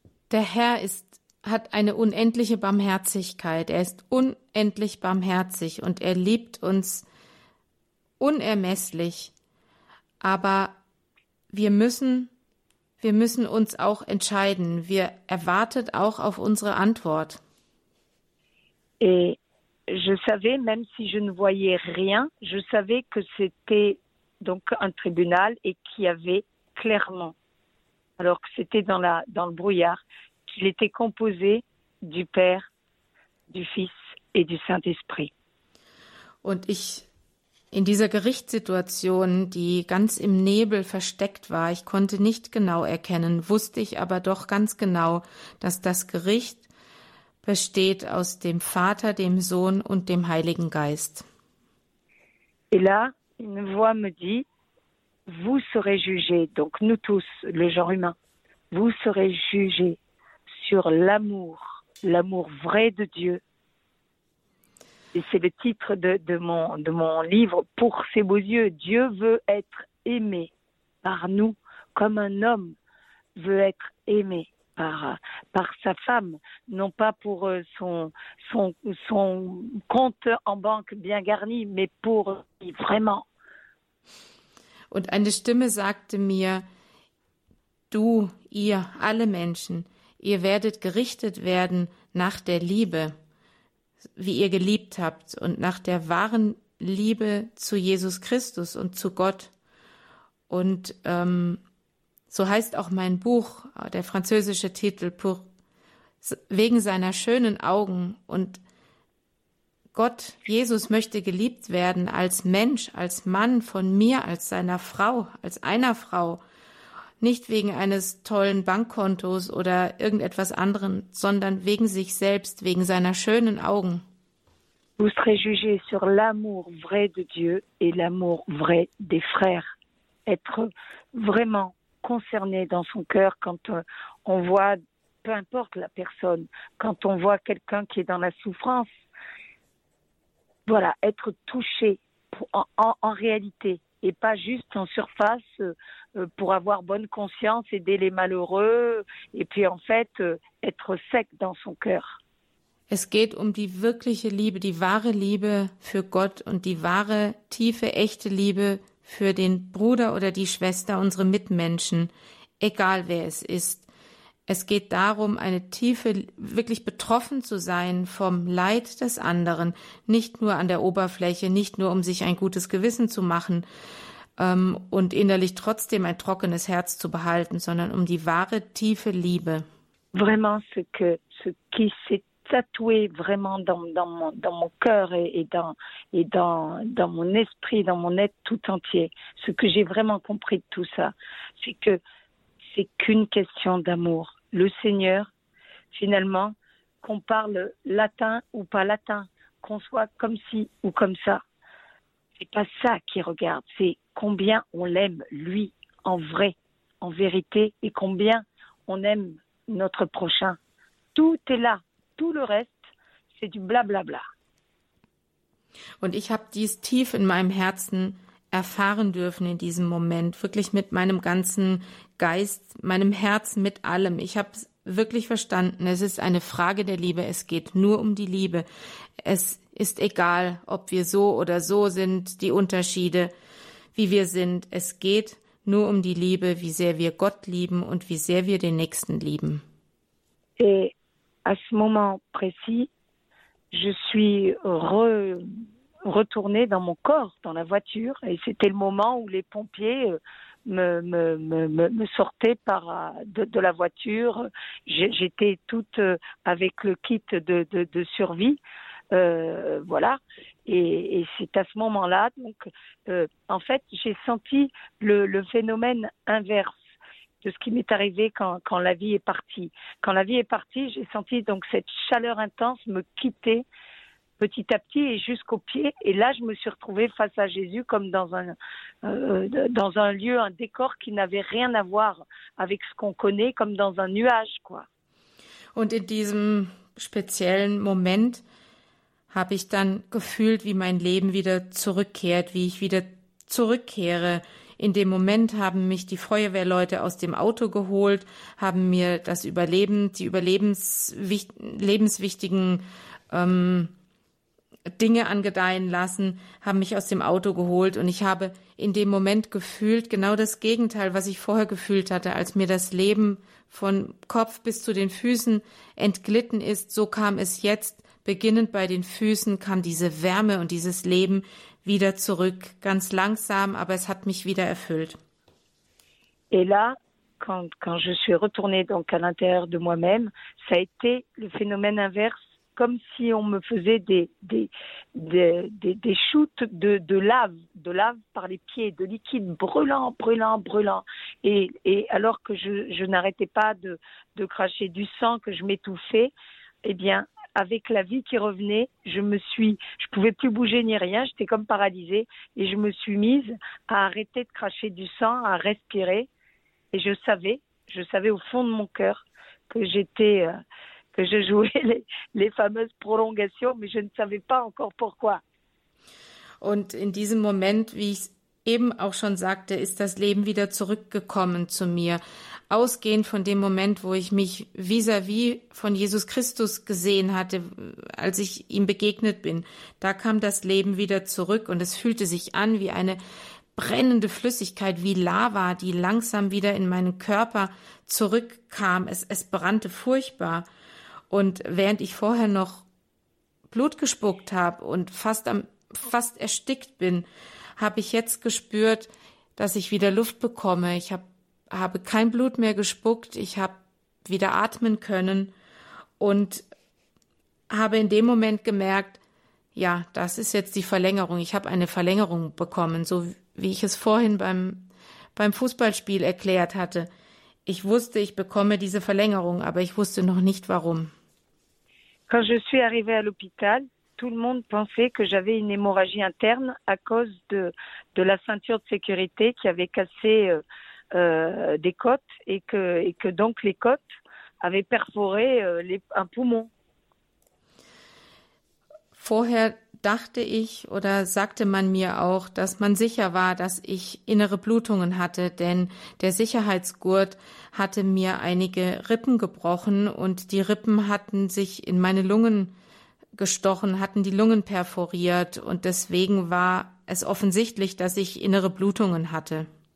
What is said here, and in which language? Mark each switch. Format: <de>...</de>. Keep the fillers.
<de>Der Herr ist hat eine unendliche Barmherzigkeit. Er ist unendlich barmherzig und er liebt uns unermesslich. Aber wir müssen, wir müssen uns auch entscheiden. Wir erwartet auch auf unsere Antwort.</de> <fr>Et je savais, même si je ne voyais rien, je savais que c'était donc un tribunal et qu'il y avait clairement, alors que c'était dans la, dans le brouillard, qu'il était composé du Père, du Fils et du Saint-Esprit.</fr> <de>Und ich in dieser Gerichtssituation, die ganz im Nebel versteckt war, ich konnte nicht genau erkennen, wusste ich aber doch ganz genau, dass das Gericht besteht aus dem Vater, dem Sohn und dem Heiligen Geist.</de> <fr>Et là, une voix me dit, vous serez jugés, donc nous tous, le genre humain, vous serez jugés sur l'amour, l'amour vrai de Dieu. Et c'est le titre de, de, mon, de mon livre, Pour ses beaux yeux. Dieu veut être aimé par nous comme un homme veut être aimé par, par sa femme, non pas pour son, son, son compte en banque bien garni, mais pour vraiment.</fr> <de>Und eine Stimme sagte mir, du, ihr, alle Menschen, ihr werdet gerichtet werden nach der Liebe, wie ihr geliebt habt, und nach der wahren Liebe zu Jesus Christus und zu Gott. Und ähm, so heißt auch mein Buch, der französische Titel,</de> <fr>pour,</fr> <de>wegen seiner schönen Augen. Und Gott, Jesus möchte geliebt werden als Mensch, als Mann von mir, als seiner Frau, als einer Frau nicht wegen eines tollen Bankkontos oder irgendetwas anderen, sondern wegen sich selbst, wegen seiner schönen Augen.</de> <fr>Vous serez jugé sur l'amour vrai de Dieu et l'amour vrai des frères. Être vraiment concerné dans son cœur quand on voit, peu importe la personne, quand on voit quelqu'un qui est dans la souffrance, voilà, être touché en, en, en réalité, et pas juste en surface euh, pour avoir bonne conscience, aider les malheureux et puis en fait euh, être sec dans son cœur.</fr> <de>Es geht um die wirkliche Liebe, die wahre Liebe für Gott und die wahre, tiefe, echte Liebe für den Bruder oder die Schwester, unsere Mitmenschen, egal wer es ist. Es geht darum, eine tiefe, wirklich betroffen zu sein vom Leid des anderen, nicht nur an der Oberfläche, nicht nur um sich ein gutes Gewissen zu machen ähm, und innerlich trotzdem ein trockenes Herz zu behalten, sondern um die wahre, tiefe Liebe.</de> <fr>vraiment ce que ce qui s'est tatoué vraiment dans, dans mon, dans mon cœur et, et dans, et dans, dans mon esprit, dans mon être tout entier. Ce que j'ai vraiment compris de tout ça, c'est que c'est qu'une question d'amour. Le Seigneur, finalement, qu'on parle latin ou pas latin, qu'on soit comme ci ou comme ça, c'est pas ça qui regarde, c'est combien on l'aime, lui, en vrai, en vérité, et combien on aime notre prochain. Tout est là, tout le reste, c'est du blablabla.</fr> <de>Und ich habe dies tief in meinem Herzen erfahren dürfen in diesem Moment, wirklich mit meinem ganzen Geist, meinem Herzen, mit allem. Ich habe wirklich verstanden, es ist eine Frage der Liebe, es geht nur um die Liebe. Es ist egal, ob wir so oder so sind, die Unterschiede, wie wir sind. Es geht nur um die Liebe, wie sehr wir Gott lieben und wie sehr wir den Nächsten lieben.</de> <fr>Et à ce moment précis, je suis re, retournée dans mon corps, dans la voiture, et c'était le moment où les pompiers me, me, me, me sortaient par, de, de la voiture. J'étais toute avec le kit de, de, de survie. Euh, voilà. Et, et c'est à ce moment-là, donc, euh, en fait, j'ai senti le, le, phénomène inverse de ce qui m'est arrivé quand, quand, la vie est partie. Quand la vie est partie, j'ai senti donc cette chaleur intense me quitter petit à petit et jusqu'au pied. Et là, je me suis retrouvée face à Jésus comme dans un, euh, dans un lieu, un décor qui n'avait rien à voir avec ce qu'on connaît, comme dans un nuage, quoi.</fr> <de>Und in diesem speziellen Moment habe ich dann gefühlt, wie mein Leben wieder zurückkehrt, wie ich wieder zurückkehre. In dem Moment haben mich die Feuerwehrleute aus dem Auto geholt, haben mir das Überleben, die überlebenslebenswichtigen ähm, Dinge angedeihen lassen, haben mich aus dem Auto geholt und ich habe in dem Moment gefühlt genau das Gegenteil, was ich vorher gefühlt hatte, als mir das Leben von Kopf bis zu den Füßen entglitten ist. So kam es jetzt beginnend bei den Füßen kam diese Wärme und dieses Leben wieder zurück, ganz langsam, aber es hat mich wieder erfüllt.</de> <fr>Et là, quand, quand je suis retournée donc à l'intérieur de moi-même, ça a été le phénomène inverse, comme si on me faisait des, des, des, des, des shoots de, de lave, de lave par les pieds, de liquide brûlant, brûlant, brûlant. Et, et alors que je, je n'arrêtais pas de, de cracher du sang, que je m'étouffais, eh bien, avec la vie qui revenait, je me suis, je pouvais plus bouger ni rien, j'étais comme paralysée et je me suis mise à arrêter de cracher du sang, à respirer et je savais, je savais au fond de mon cœur que j'étais, euh, que je jouais les, les, fameuses prolongations, mais je ne savais pas encore pourquoi.</fr> <de>Und in diesem Moment, wie ich eben auch schon sagte, ist das Leben wieder zurückgekommen zu mir. Ausgehend von dem Moment, wo ich mich vis-à-vis -vis von Jesus Christus gesehen hatte, als ich ihm begegnet bin, da kam das Leben wieder zurück und es fühlte sich an wie eine brennende Flüssigkeit, wie Lava, die langsam wieder in meinen Körper zurückkam. Es, es brannte furchtbar. Und während ich vorher noch Blut gespuckt habe und fast am, fast erstickt bin, habe ich jetzt gespürt, dass ich wieder Luft bekomme. Ich hab, habe kein Blut mehr gespuckt. Ich habe wieder atmen können und habe in dem Moment gemerkt, ja, das ist jetzt die Verlängerung. Ich habe eine Verlängerung bekommen, so wie ich es vorhin beim, beim Fußballspiel erklärt hatte. Ich wusste, ich bekomme diese Verlängerung, aber ich wusste noch nicht warum.</de> <fr>Quand je suis arrivée à l'hôpital, tout le monde pensait que j'avais une hémorragie interne à cause de, de, la ceinture de sécurité qui avait cassé euh, euh, des côtes et que, et que, donc les côtes avaient perforé euh, les, un poumon.</fr> <de>Vorher dachte ich oder sagte man mir auch, dass man sicher war, dass ich innere Blutungen hatte, denn der Sicherheitsgurt hatte mir einige Rippen gebrochen und die Rippen hatten sich in meine Lungen gestochen, hatten die Lungen perforiert und deswegen war es offensichtlich, dass ich innere Blutungen hatte.</de>